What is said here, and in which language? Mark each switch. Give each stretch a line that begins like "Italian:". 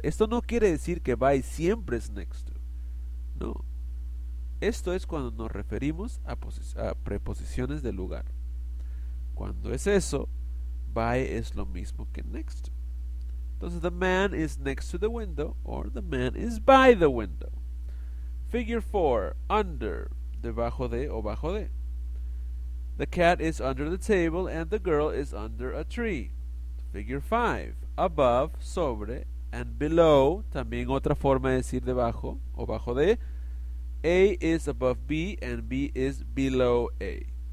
Spanish: Esto no quiere decir que by siempre es next to. No. Esto es cuando nos referimos a preposiciones de lugar. Cuando es eso, by es lo mismo que next to.
English: Entonces, the man is next to the window or the man is by the window. Figure 4. Under.
Spanish: Debajo de o bajo de.
English: The cat is under the table and the girl is under a tree. Figure 5. Above, sobre, and below.
Spanish: También otra forma de decir debajo o bajo de.
English: A is above B and B is below A.